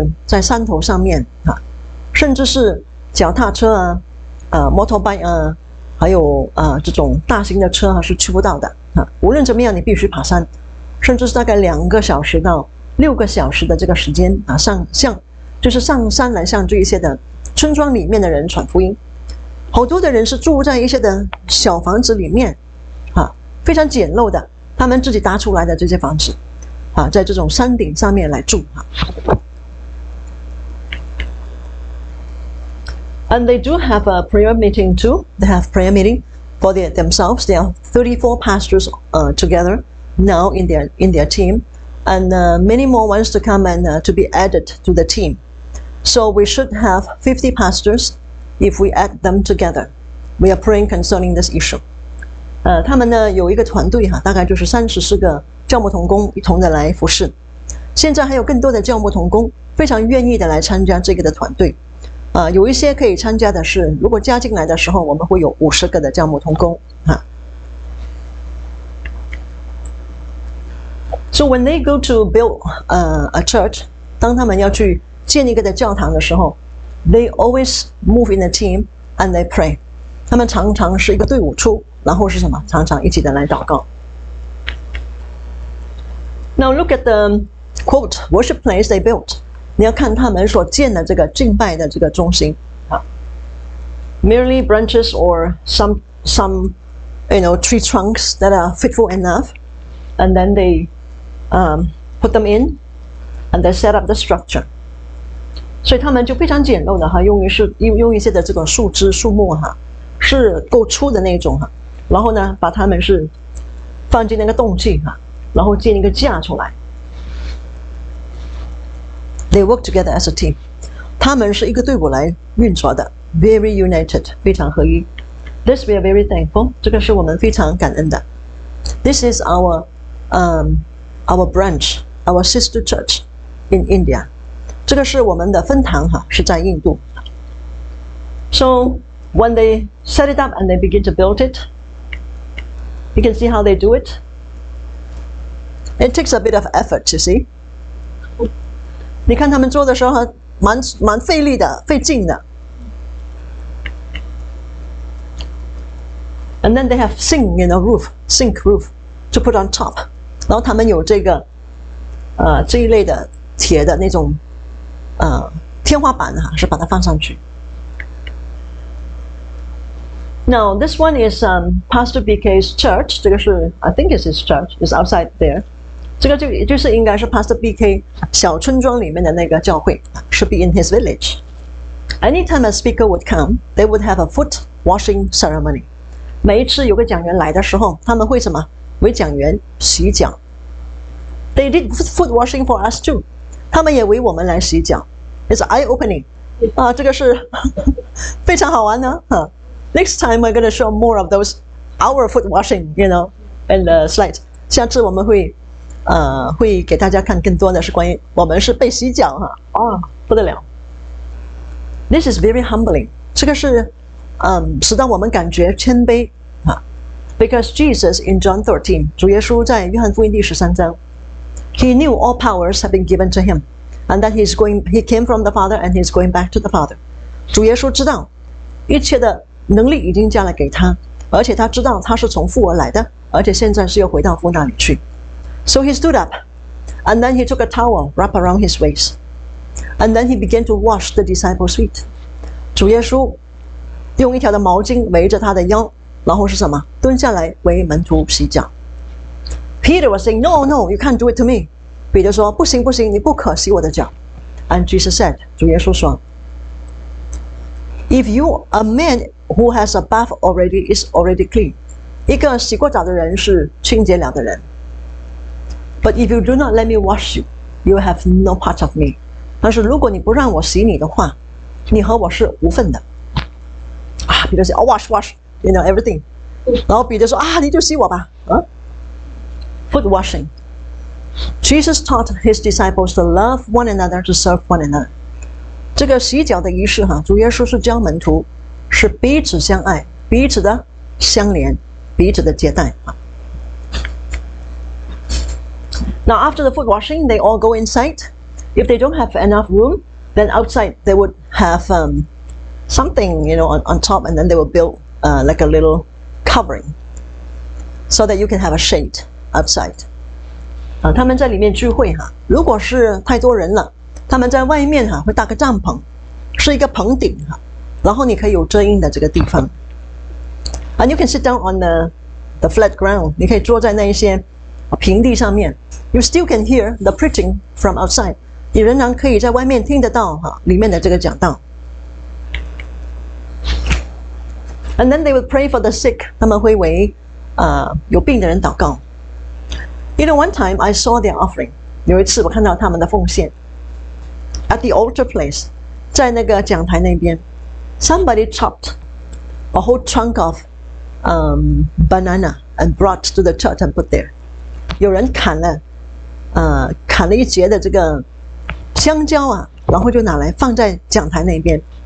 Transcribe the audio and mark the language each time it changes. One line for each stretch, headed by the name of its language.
Chinese: 他们去的地方呢，就是在山头上面啊，甚至是 脚踏车啊，motorbike 啊，还有这种大型的车啊，是去不到的啊。无论怎么样，你必须爬山，甚至是大概2个小时到6个小时的这个时间啊，上就是上山来向这一些的村庄里面的人传福音。好多的人是住在一些的小房子里面啊，非常简陋的，他们自己搭出来的这些房子啊，在这种山顶上面来住啊。
English: And they do have a prayer meeting too. They have prayer meeting for themselves. There are 34 pastors together now in their team. And many more wants to come and to be added to the team. So we should have 50 pastors if we add them together. We are praying concerning this issue.
Chinese: 他们呢有一个团队哈，大概就是34个教牧同工一同的来服侍。现在还有更多的教牧同工非常愿意的来参加这个的团队。有一些可以参加的是，如果加进来的时候，我们会有50个的教牧同工哈。
English: So when they go to build a church,
Chinese: 当他们要去建一个的教堂的时候 ，
English: they always move in a team and they pray.
Chinese: 他们常常是一个队伍出，然后是什么？常常一起的来祷告。
English: Now look at the quote worship place they built.
Chinese: 你要看他们所建的这个敬拜的这个中心啊。
English: Merely branches or some you know tree trunks that are fitful enough, and then they put them in, and they set up the structure.
Chinese: 所以他们就非常简陋的哈，用一些的这个树枝树木哈，是够粗的那种哈，然后呢，把他们是放进那个洞器哈，然后建一个架出来。
English: They work together as a team.
Chinese: 他们是一个队伍来运作的 ，
English: very united，
Chinese: 非常合一。
English: This we are very thankful.
Chinese: 这个是我们非常感恩的。
English: This is our branch, our sister church in India.
Chinese: 这个是我们的分堂哈，是在印度。
English: So when they set it up and they begin to build it, you can see how they do it. It takes a bit of effort, you see.
Chinese: 你看他们做的时候蛮费力的，费劲的。
English: And then they have zinc in the roof, zinc roof to put on top.
Chinese: 然后他们有这个，这一类的铁的那种，天花板哈、啊，是把它放上去。
English: Now this one is Pastor BK's church.
Chinese: 这个是
English: I think it's his church. It's outside there.
Chinese: 这个就是应该是 Pastor BK 小村庄里面的那个教会 ，
English: should be in his village. Anytime a speaker would come, they would have a foot washing ceremony.
Chinese: 每一次有个讲员来的时候，他们会什么？为讲员洗脚。
English: They did foot washing for us too.
Chinese: 他们也为我们来洗脚。
English: It's eye-opening.
Chinese: 啊，这个是非常好玩的。
English: Next time we're going to show more of those our foot washing, you know, in the slides.
Chinese: 下次我们会给大家看更多的是关于我们是被洗脚哈。啊，不得了。
English: This is very humbling.
Chinese: 这个是使到我们感觉谦卑。
English: Because Jesus in John 13,
Chinese: 主耶稣在约翰福音第十三章
English: He knew all powers have been given to him, and that he came from the Father and he's going back to the Father.
Chinese: 主耶稣知道一切的能力已经加了给他，而且他知道他是从父而来的，而且现在是要回到父那里去。
English: So he stood up, and then he took a towel wrapped around his waist, and then he began to wash the disciples' feet.
Chinese: 主耶稣用一条的毛巾围着他的腰。然后是什么？蹲下来为门徒洗脚。
English: Peter was saying, "No, no, you can't do it to me."
Chinese: 彼得说：“不行，不行，你不可洗我的脚。”
English: And Jesus said,
Chinese: 主耶稣说
English: "If you, a man who has a bath already, is already clean."
Chinese: 一个洗过澡的人是清洁了的人。
English: But if you do not let me wash you, you have no part of me.
Chinese: 但是如果你不让我洗你的话，你和我是无份的。啊，彼得说
English: "I'll wash, wash." You know everything.
Chinese: 然后彼得说啊，你就洗我吧。
English: Foot washing. Jesus taught his disciples to love one another, to serve one another.
Chinese: 这个洗脚的仪式哈，主耶稣是教门徒是彼此相爱、彼此的相连、彼此的接待。
English: Now after the foot washing, they all go inside. If they don't have enough room, then outside they would have something, you know, on top, and then they would build. Like a little covering, so that you can have a shade outside.
Chinese: 啊，他们在里面聚会哈。如果是太多人了，他们在外面哈会搭个帐篷，是一个棚顶哈，然后你可以有遮阴的这个地方。
English: And you can sit down on the flat ground.
Chinese: 你可以坐在那一些平地上面。
English: You still can hear the preaching from outside.
Chinese: 你仍然可以在外面听得到哈里面的这个讲道。
English: And then they would pray for the sick.
Chinese: 他们会为有病的人祷告。
English: You know, one time I saw their offering.
Chinese: 有一次我看到他们的奉献。
English: At the altar place,
Chinese: 在那个讲台那边,
English: somebody chopped a whole trunk of banana and brought to the church and put there.
Chinese: 有人砍了一截的这个香蕉啊, 然后就拿来放在讲台那边。